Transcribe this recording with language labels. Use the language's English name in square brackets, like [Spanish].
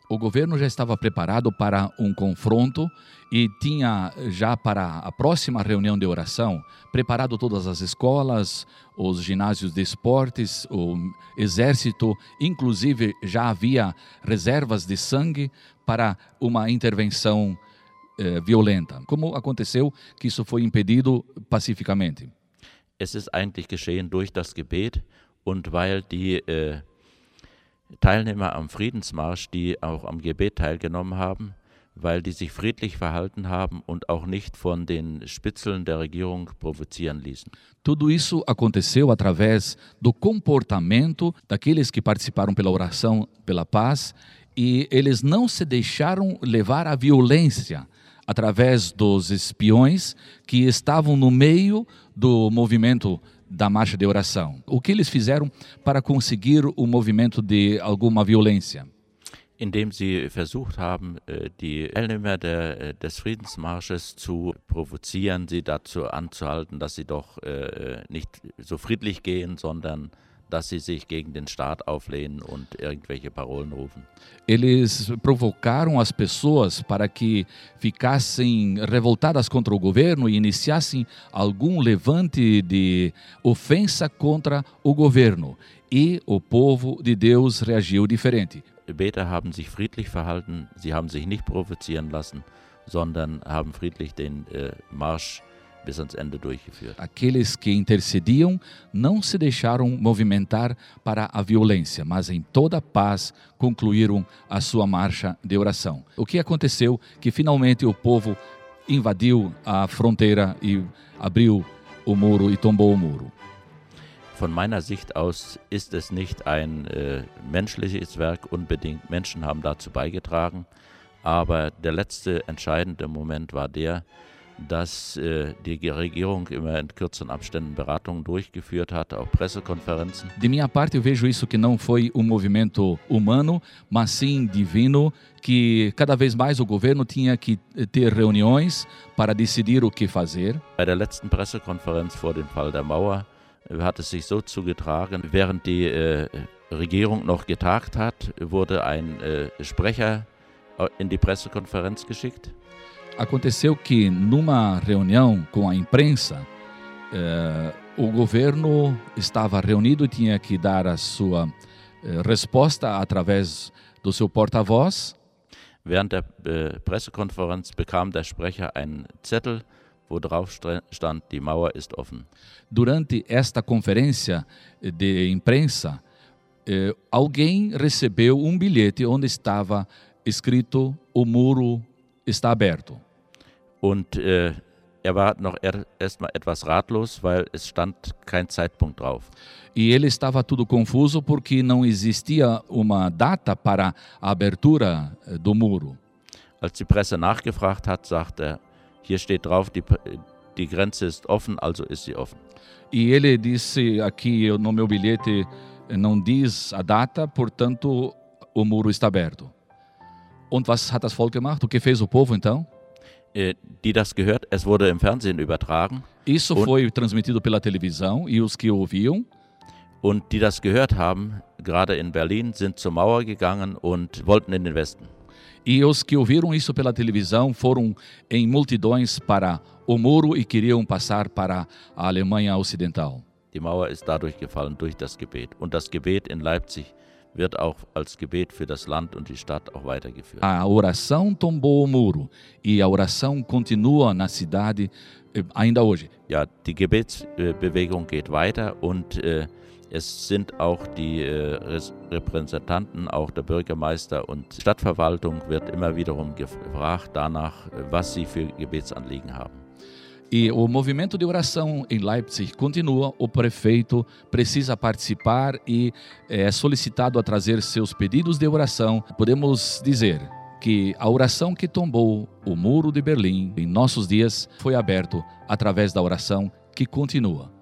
[Portuguese] O governo já estava preparado para confronto e tinha já para a próxima reunião de oração preparado todas as escolas, os ginásios de esportes, o exército, inclusive já havia reservas de sangue para uma intervenção violenta. Como aconteceu que isso foi impedido pacificamente? [German] Es ist eigentlich geschehen durch das Gebet. Und weil die Teilnehmer am Friedensmarsch, die auch am Gebet teilgenommen haben, weil die sich friedlich verhalten haben und auch nicht von den Spitzeln der Regierung provozieren ließen. [Portuguese] Tudo isso aconteceu através do comportamento daqueles que participaram pela oração pela paz e eles não se deixaram levar à violência através dos espiões que estavam no meio do movimento da marcha de oração. O que eles fizeram para conseguir o movimento de alguma violência? [German] Indem sie versucht haben, die Teilnehmer des Friedensmarsches zu provozieren, sie dazu anzuhalten, dass sie doch nicht so friedlich gehen, sondern dass sie sich gegen den Staat auflehnen und irgendwelche Parolen rufen. [Portuguese] Eles provocaram as pessoas para que ficassem revoltadas contra o governo e iniciassem algum levante de ofensa contra o governo. E o povo de Deus reagiu diferente. [German] Die Beter haben sich friedlich verhalten, sie haben sich nicht provozieren lassen, sondern haben friedlich den Marsch bis ans Ende durchgeführt. [Portuguese] Aqueles que intercediam não se deixaram movimentar para a violência, mas em toda paz concluíram a sua marcha de oração. O que aconteceu que finalmente o povo invadiu a fronteira e abriu o muro e tombou o muro. [German] Von meiner Sicht aus ist es nicht ein menschliches Werk unbedingt. Menschen haben dazu beigetragen, aber der letzte entscheidende Moment war der, dass die Regierung immer in kürzeren Abständen Beratungen durchgeführt hat, auch Pressekonferenzen. [Portuguese] De minha parte eu vejo isso que não foi movimento humano, mas sim divino, que cada vez mais o governo tinha que ter reuniões para decidir o que fazer. [German] Bei der letzten Pressekonferenz vor dem Fall der Mauer hat es sich so zugetragen, während die Regierung noch getagt hat, wurde ein Sprecher in die Pressekonferenz geschickt. [Portuguese] Aconteceu que numa reunião com a imprensa, o governo estava reunido e tinha que dar a sua resposta através do seu porta-voz. [German] Während der Pressekonferenz bekam der Sprecher einen Zettel, wo drauf stand, die Mauer ist offen. [Portuguese] Durante esta conferência de imprensa, alguém recebeu bilhete onde estava escrito o muro está aberto. [German] Und war noch erstmal etwas ratlos, weil es stand kein Zeitpunkt drauf. [Portuguese] E ele estava tudo confuso porque não existia uma data para a abertura do muro. [German] Als die Presse nachgefragt hat, sagte er: Hier steht drauf, die Grenze ist offen, also ist sie offen. [Portuguese] E ele disse aqui no meu bilhete não diz a data, portanto o muro está aberto. [German] Und was hat das Volk gemacht? [Portuguese] O que fez o povo então? [German] Die das gehört, es wurde im Fernsehen übertragen. [Portuguese] Isso foi transmitido pela televisão e os que ouviam. [German] Und die das gehört haben, gerade in Berlin, sind zur Mauer gegangen und wollten in den Westen. [Portuguese] E os que ouviram isso pela televisão foram em multidões para o muro e queriam passar para a Alemanha Ocidental. [German] Die Mauer ist dadurch gefallen durch das Gebet und das Gebet in Leipzig wird auch als Gebet für das Land und die Stadt auch weitergeführt. [Portuguese] A oração tombou o muro e a oração continua na cidade ainda hoje. [German] Ja, die Gebetsbewegung geht weiter und es sind auch die Repräsentanten, auch der Bürgermeister und Stadtverwaltung wird immer wiederum gefragt danach, was sie für Gebetsanliegen haben. [Portuguese] E o movimento de oração em Leipzig continua, o prefeito precisa participar e é solicitado a trazer seus pedidos de oração. Podemos dizer que a oração que tombou o muro de Berlim em nossos dias foi aberto através da oração que continua.